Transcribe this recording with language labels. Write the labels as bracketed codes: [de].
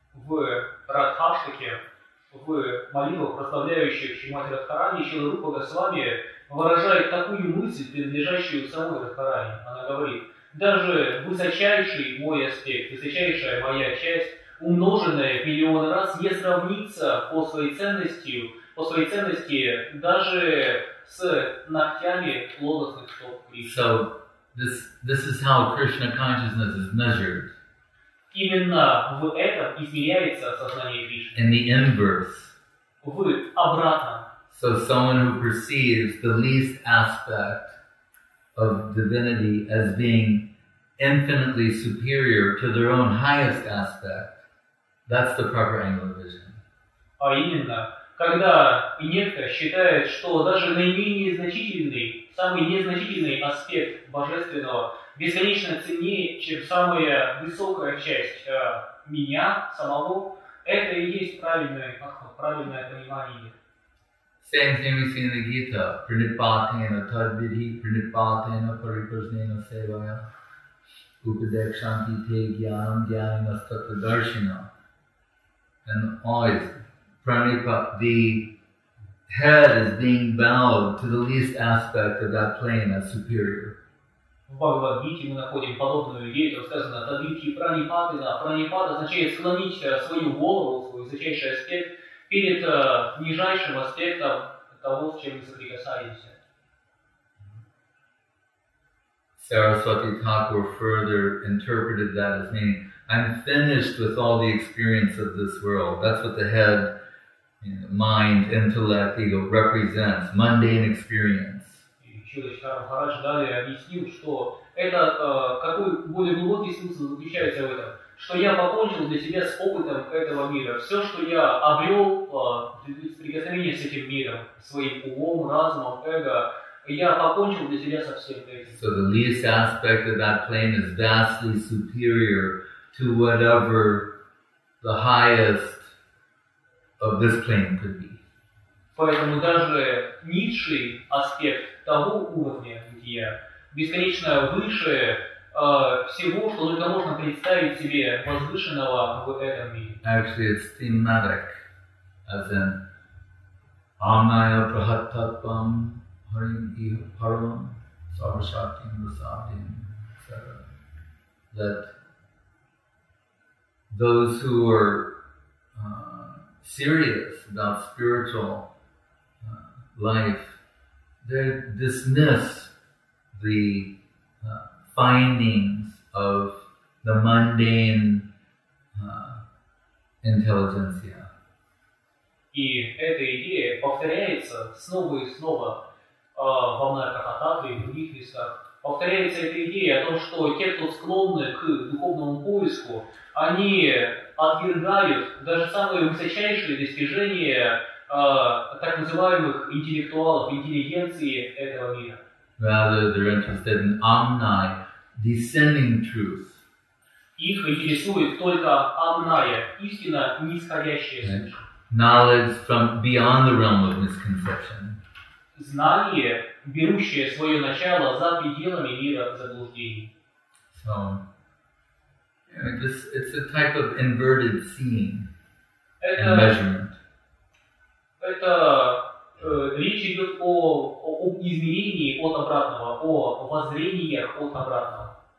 [ru] В Радхаштике, в молитвах, прославляющих Шримати Радхарани, Шрила Рупа Госвами выражает такую мысль, принадлежащую самой Радхарани. Она говорит, даже высочайший мой аспект, высочайшая моя часть, умноженная в миллион раз, не сравнится по своей ценности даже с ногтями лотосных стоп Кришны. [en] So, this is how Krishna consciousness is measured. [ru] Именно в этом измеряется сознание Кришны. [en] In the inverse. [ru] В обратном. [en] So, someone who perceives the least aspect of divinity as being infinitely superior to their own highest aspect, that's the proper angle of vision. [ru] А именно, когда некто считает, что даже наименее значительный, самый незначительный аспект божественного бесконечно ценнее, чем самая высокая часть меня самого, это и есть правильное понимание. [en] Same thing we see in the Gita. [sa] Pranipatena tadvidhi, pranipatena paripasnena sevaya, upadekshanti te gyanam gyanimastata darshina. [en] And always, Pranipata, the head is being bowed to the least aspect of that plane as superior. [ru] В Бхагавад-гите мы находим подобную идею, там сказано тадвидхи пранипатена. Пранипата означает склонить свою голову, свой высочайший аспект, перед нижайшим аспектом того, с чем мы соприкасаемся. [en] Sarasvati Thakur further interpreted that as meaning, I'm finished with all the experience of this world. That's what the head, you know, mind, intellect, ego represents, mundane experience. [ru] Шрила Читара Махарадж далее объяснил, что это, какой более глубокий смысл заключается в этом, что я покончил для себя с опытом этого мира. Все, что я обрел с прикосновением с этим миром, своим умом, разумом, эго, я покончил для себя со всем этим. [en] So the least aspect of that plane is vastly superior to whatever the highest of this plane could be. [ru] Поэтому даже низший аспект того уровня, где я, бесконечно выше всего, что только можно представить себе возвышенного в этом мире. [en] Actually, it's thematic, as in [sa] Amaya Prahattattvam Harim Iha Paramam Sarvashaktim Vasadim, etc. [en] That those who are serious about spiritual life, they dismiss the findings of the mundane intelligentsia. [ru] И эта идея повторяется снова и снова во Амаркахататве и в других местах. Повторяется эта идея о том, что те, кто склонны к духовному поиску, они отвергают даже самые высочайшие достижения так называемых интеллектуалов, интеллигенции этого мира. [en] Rather, they're interested in Amnai, descending truth. [ru] Их интересует только Амная, истина нисходящая суть. [en] Knowledge from beyond the realm of misconception. [ru] Знание, берущее свое начало за пределами мира заблуждений. [en] So, it's a type of inverted seeing and measurement. [ru] Это речь идет о измерении от обратного, о воззрениях от обратного.